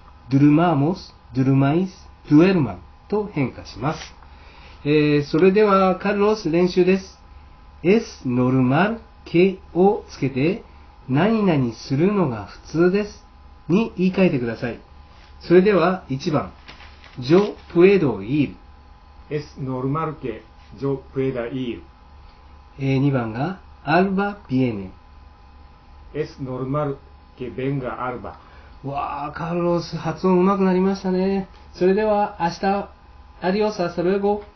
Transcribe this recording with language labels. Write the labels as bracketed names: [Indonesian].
[Japanese] ドゥルマーモス、ドゥルマイス、ドゥエルマン。と変化します。それでは、カルロス練習です。 [Spanish] Es normal que [Japanese] をつけて、何々するのが普通です。に言い換えてください。それでは、1番。 [Spanish] Yo puedo ir. Es normal que yo pueda ir. 2番が Alba viene. Es normal que venga Alba. [Japanese] わー、カルロス、発音うまくなりましたね。それでは明日、アディオス、アスタルエゴ。